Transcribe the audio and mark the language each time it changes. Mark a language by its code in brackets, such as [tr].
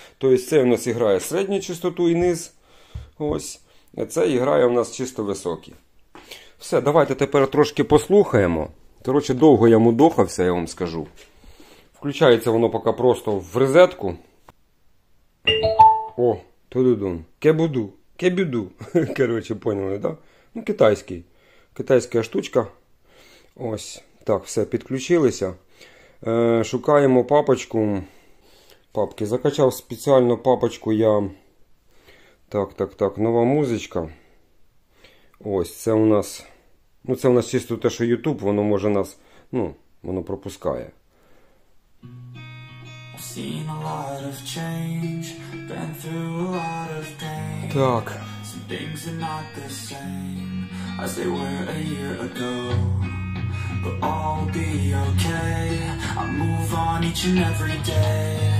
[uk] Тобто це у нас грає середню частоту і низ, ось, а це грає у нас чисто високі. Все, давайте тепер трошки послухаємо. Коротше, довго я мудохався, я вам скажу. Включається воно поки просто в розетку. О, ту-ду-дун, кебуду, кебюду, коротше, поняли, так? Да? Ну, китайський, китайська штучка. Ось, так, все, підключилися. Шукаємо папочку. Папки, закачав спеціальну папочку я. Так, так, так, нова музичка. Ось, це у нас. Ну, це у нас чисто те, що YouTube, воно може нас, ну, воно пропускає. [en] seen a lot of change, been through a lot of pain. [uk] Так. [en] Some things are not the same as they were a year ago. But all be okay. I move on each and every day.